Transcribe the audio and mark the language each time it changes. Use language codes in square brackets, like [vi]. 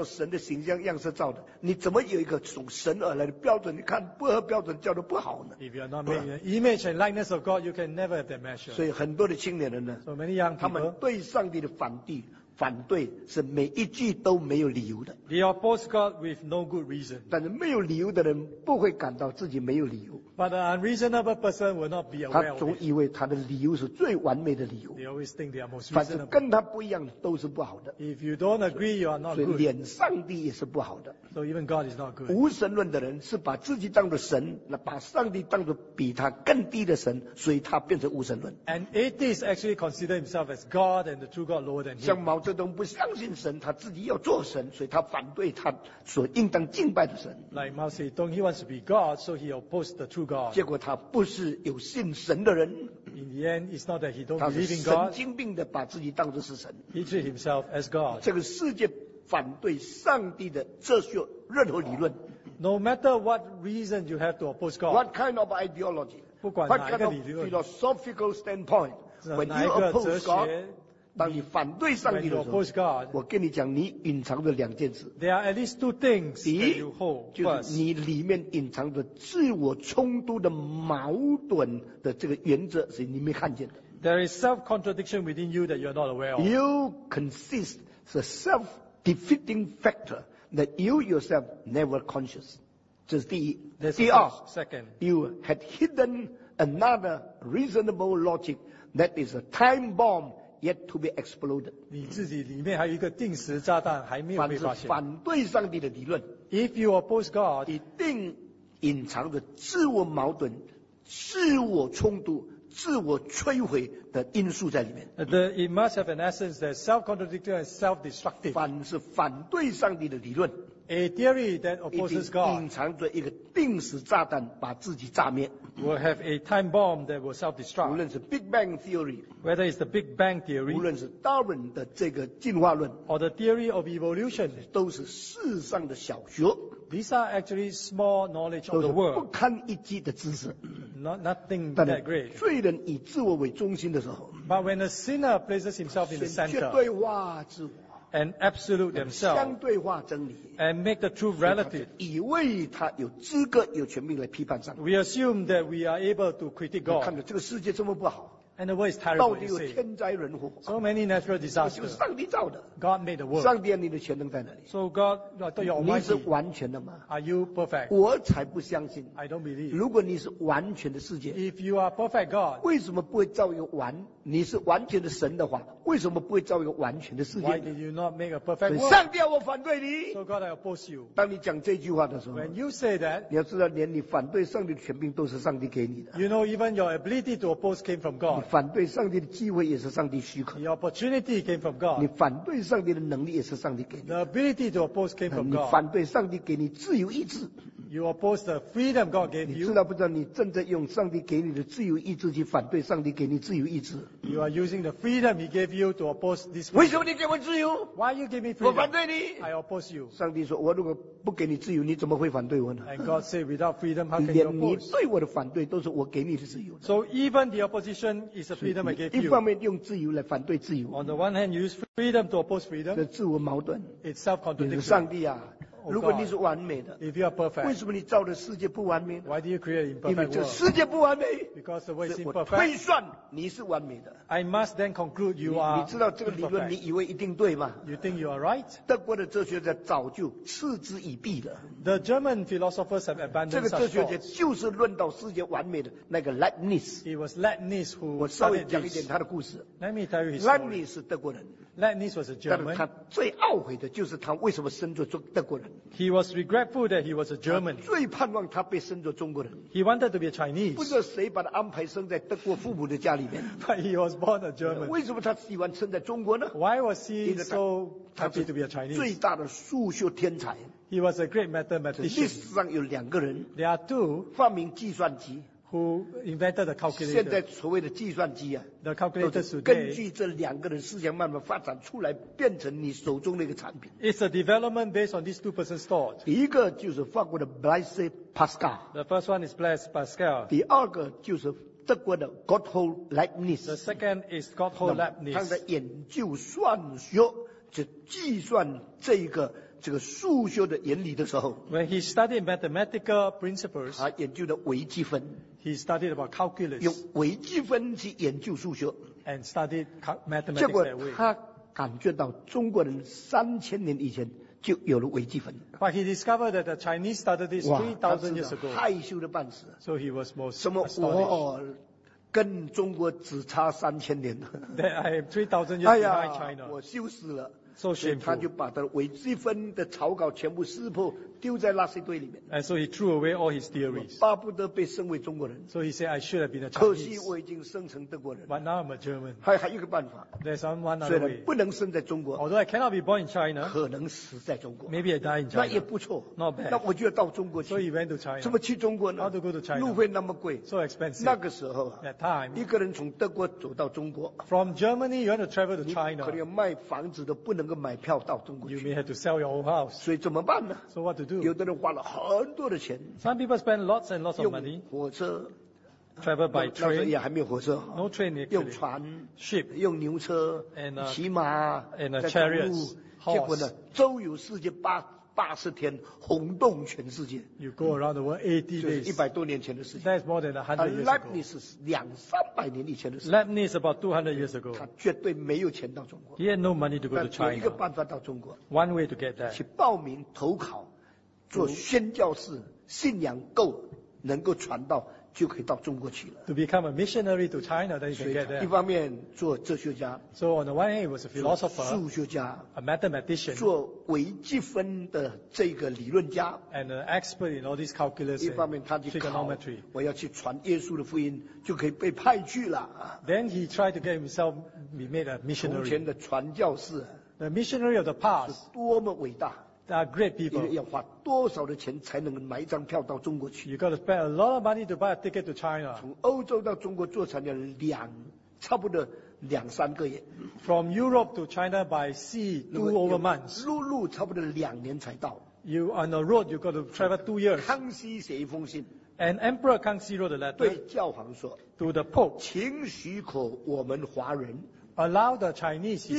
[zh] 如果你不是按照神的形象样式造的, 你怎么有一个从神而来的标准? 不合标准叫做不好呢? [en] If you are not made in image and likeness of God, you can never have that measure. [zh] 所以很多的青年人呢, [en] so many young people, [zh] 他们对上帝的反对, 反对是每一句都没有理由的。 [en] They oppose God with no good reason. [zh] 但是没有理由的人不会感到自己没有理由。 [en] But an unreasonable person will not be aware of it. [zh] 他总以为他的理由是最完美的理由。 [en] They always think they are most reasonable. [zh] 反正跟他不一样的都是不好的。 [en] If you don't agree, you are not good. [zh] 所以连上帝也是不好的。 [en] So even God is not good. [zh] 无神论的人是把自己当作神, 把上帝当作比他更低的神, 所以他变成无神论。 [en] An atheist actually considers himself as God and the true God lower than him. [zh] 泽东不相信神，他自己要做神，所以他反对他所应当敬拜的神。 [en] Like Mao Zedong, he wants to be God, so he opposed the true God. [zh] 结果他不是有信神的人。 [en] In the end, it's not that he don't believe in God. [zh] 他神经病的把自己当作是神。 [en] He treat himself as God. [zh] 这个世界反对上帝的哲学任何理论。 [en] No matter what reason you have to oppose God. What kind of ideology? [zh] 不管哪个理论。 [en] What kind of philosophical standpoint? When you oppose God. [zh] 当你反对上帝的时候 [en] God, [zh] 我跟你讲你隐藏的两件事 [en] There are at least two things [zh] 第一 [en] hold, [zh] 就是你里面隐藏的自我冲突的矛盾的这个原则是你没看见的 [en] There is self-contradiction within you that you are not aware of You consist the self-defeating factor that you yourself never conscious [zh] 这是第一 [en] There's [zh] 第二 [en] a second. You had hidden another reasonable logic that is a time bombYet to be exploded. [zh] 你自己里面还有一个定时炸弹还没有被发现。反对上帝的理论。 [en] If you oppose God, [zh] 一定隐藏着自我矛盾、自我冲突、自我摧毁的因素在里面。 [en] It must have an essence that's self-contradictory and self-destructive. [zh] 凡是反对上帝的理论。 [en] A theory that opposes God [zh] 隐藏着一个定时炸弹，把自己炸灭。 [en] Will have a time bomb that will self-destruct. [zh] 无论是 Big Bang theory， [en] whether it's the Big Bang theory， [zh] 无论是 Darwin 的这个进化论 [en] ，or the theory of evolution， [zh] 都是世上的小学。 [en] These are actually small knowledge of the world， [zh] 都是不堪一击的知识。 [en] Nothing that great. [zh] 罪人以自我为中心的时候 [en] ，but when a sinner places himself in the center， [zh] 绝对化自我。 [en] And absolute themselves, [zh] 相对化真理 [en] and make the truth relative. [zh] 以为他有资格、有权柄来批判上帝 [en] We assume that we are able to critique God. [zh] 看着这个世界这么不好 [en] and the world is terrible. [zh] 到底有天灾人祸 [en] so many natural disasters. [zh] 就是上帝造的 [en] God made the world. [zh] 上帝你的全能在哪里 [en] So God, your almighty. [zh] 你是完全的吗 [en] Are you perfect? [zh] 我才不相信 [en] I don't believe. [zh] 如果你是完全的世界 [en] if you are perfect God, [zh] 为什么不会造一个完？你是完全的神的话，为什么不会造一个完全的世界 [en] ？Why did you not make a perfect world？ [zh] 上帝啊，我反对你。 [en] So God, I oppose you。 [zh] 当你讲这句话的时候 [en] ，When you say that， [zh] 你要知道，连你反对上帝的权柄都是上帝给你的。 [en] You know, even your ability to oppose came from God。 [zh] 你反对上帝的机会也是上帝许可。 [en] Your opportunity came from God。 [zh] 你反对上帝的能力也是上帝给你的。 [en] The ability to oppose came from God。 [zh] 你反对上帝给你自由意志。 [en] You oppose the freedom God gave you。 [zh] 你知道不知道，你正在用上帝给你的自由意志去反对上帝给你自由意志？ [en] You are using the freedom he gave you to oppose this. [zh] 为什么你给我自由 [en] ？Why you give me freedom？ [zh] 我反对你。 [en] I oppose you。 [zh] 上帝说，我如果不给你自由，你怎么会反对我呢 [en] ？And God said, without freedom, how can you oppose？ [zh] 连你对我的反对都是我给你的自由的。 [en] So even the opposition is the freedom I gave you。 [zh] 一方面用自由来反对自由。 [en] On the one hand, you use freedom to oppose freedom。 [zh] 这自我矛盾。 [en] It's self-contradiction。 [zh] 上帝啊。如果你是完美的 [en] If you are perfect, [zh] 为什么你造的世界不完美 [en] Why do you create an imperfect world? [zh] 因为这世界不完美 [en] Because the world is imperfect [zh] 我推算你是完美的 [en] I must then conclude you are [zh] 你知道这个理论你以为一定对吗 [en] You think you are right? [zh] 德国的哲学家早就嗤之以鼻的 [en] The German philosophers have abandoned such thoughts [zh] 这个哲学家就是论到世界完美的那个 Leibniz [en] It was Leibniz who [zh] 我稍微讲一点他的故事 [en] Let me tell you his story [zh] Leibniz 是德国人 [en] Leibniz was a German [zh] 但是他最懊悔的就是他为什么生作德国人 [en] He was regretful that he was a German. [zh] 最盼望他被生作中国人。 [en] He wanted to be a Chinese. [zh] 不知道谁把他安排生在德国父母的家里面。 [en] But he was born a German. [zh] 为什么他喜欢生在中国呢 [en] ？Why was he so happy to be a Chinese? [zh] 最大的数学天才。 [en] He was a great mathematician. [zh] 历史上有两个人。 [en] There are two. [zh] 发明计算机。 [en] Who invented the calculator? [zh] 现在所谓的计算机啊 [en] ，the calculator today, [zh] 根据这两个人思想慢慢发展出来，变成你手中的一个产品。 [en] It's a development based on these two persons' thought. [zh] 第一个就是法国的 Blaise Pascal. [en] The first one is Blaise Pascal. [zh] 第二个就是德国的 Gotthold Leibniz. [en] The second is Gotthold Leibniz. [zh] 他在研究算学，就计算这一个。这个数学的原理的时候 [en] ，When he studied mathematical principles， [zh] 他研究的微积分 [en] ，He studied about calculus， [zh] 用微积分去研究数学 [en] ，And studied mathematics that way。 [zh] 结果他感觉到中国人三千年以前就有了微积分。 [en] But he discovered that the Chinese started this 3,000 years ago。 [zh] 害羞的半死。 [en] So he was most [zh] 什么我跟中国只差三千年 [en] ？That I am 3,000 years behind China。 [zh] 我羞死了。 [en] So、 [zh] 所以他就把他的微积分的草稿全部撕破，丢在纳粹队里面。 [en] And so he threw away all his theories. [zh] 巴不得被升为中国人。 [en] So he said, I should have been a Chinese. [zh] 可惜我已经升成德国人。 [en] But now I'm a German. [zh] 还有一个办法。 [en] There's one other way. [zh] 虽然不能生在中国。 [en] Although I cannot be born in China. [zh] 可能死在中国。 [en] Maybe I die in China. [zh] 那也不错。 [en] Not bad. [zh] 那我就要到中国去。 [en] So he went to China. [zh] 怎么去中国呢？ [en] How to go to China? [zh] 路费那么贵。 [en] So expensive. [zh] 那个时候啊。 [en] That time. [zh] 一个人从德国走到中国。 [en] From Germany, you want to travel to China. [zh] 你可能要卖房子都不能够买票到中国去。 [en] You may have to sell your house. [zh] 所以怎么办呢？ [en] So what to do? [zh] 有的人花了很多的钱。 [en] Some people spend lots and lots of money. [zh] 火车。 [en] Travel by train. [zh] 那时候也还没有火车。 [en] No train yet. [zh] 用船。 [en] Ship. [zh] 用牛车。 [en] And a, [zh] 骑马。 [en] And a chariot. [zh] 结果呢？周游世界八十天，轰动全世界。 [en] You go around the world 80 days. [zh] 就是一百多年前的事情。 [en] That is more than 100 years ago. [zh] Leibniz 是两三百年以前的事情。 [en] Leibniz about 200 years ago. [zh] 他绝对没有钱到中国。 [en] He had no money to go to China. [zh] 有一个办法到中国。 [en] One way to get there. [zh] 去报名投考。做宣教士，信仰够，能够传道，就可以到中国去了。 [en] To become a missionary to China, then you can get there. [zh] 一方面做哲学家。 [en] So on the one hand, he was a philosopher. [zh] 数学家。 [en] A mathematician. [zh] 做微积分的这个理论家。 [en] And an expert in all these calculus. [zh] 一方面他去考，我要去传耶稣的福音，就可以被派去了。 [en] Then he tried to get himself made a missionary. [zh] 从前的传教士。 [en] The missionary of the past. [zh] 是多么伟大。 [en] They are great people. [zh] 要花多少的钱才能买一张票到中国去？ [en] You got to spend a lot of money to buy a ticket to China. [zh] 从欧洲到中国坐船要差不多两三个月。 [en] From Europe to China by sea, 2 over months. [zh] 陆路差不多两年才到。 [en] You on the road, you got to travel 2 years. [zh] 康熙写一封信。 [en] And Emperor Kangxi wrote a letter. [zh] 对教皇说。 [en] To the Pope. [zh] 请许可我们华人。 [en] Allow the Chinese, he said,